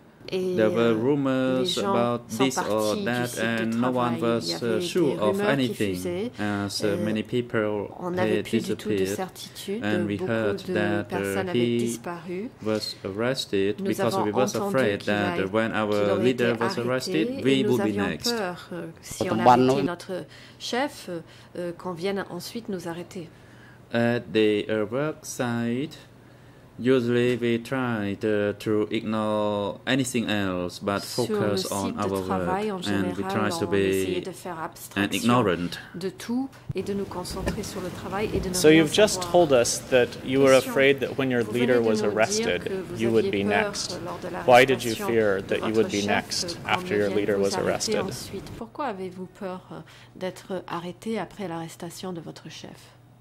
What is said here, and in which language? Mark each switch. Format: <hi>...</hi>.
<en>There were rumors about this or that, and no one was sure of anything, as many people had disappeared, and we heard that he was arrested because we were afraid that when our leader was arrested, we would be next.</en> <fr>Si on arrêtait notre chef, qu'on vienne ensuite nous arrêter.</fr> <en>At the work site, usually we try to ignore anything else but focus on our work, and we try to be an ignorant.</en> <fr>De tout et de nous concentrer sur le travail et de ne pas.</fr> <en>So you've just told us that you were afraid that when your leader was arrested, you would be next. Why did you fear that you would be next after your leader was arrested?</en> <fr>Pourquoi avez-vous peur d'être arrêté après l'arrestation de votre chef?</fr>